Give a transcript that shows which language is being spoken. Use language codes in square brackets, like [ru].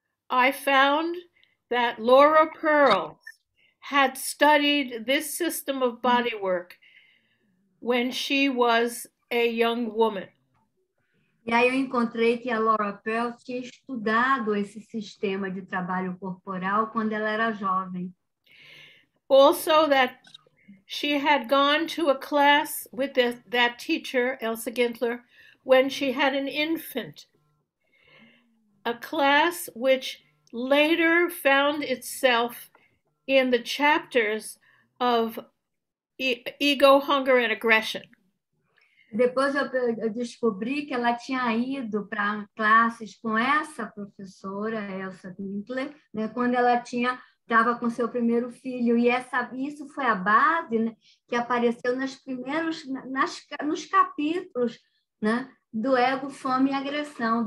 [en] I found that Laura Pearl had studied this system of bodywork when she was a young woman. [pt] E aí eu encontrei que a Laura Pearl tinha estudado esse sistema de trabalho corporal quando ela era jovem. [en] Also that she had gone to a class with that teacher, Elsa Gintler, when she had an infant. A class which later found itself in the chapters of ego, hunger, and aggression. [pt] Depois eu descobri que ela tinha ido para classes com essa professora, Elsa Gintler, né, quando ela tinha estava com seu primeiro filho, e isso foi a base, né, que apareceu nos capítulos, né, do ego, fome e agressão.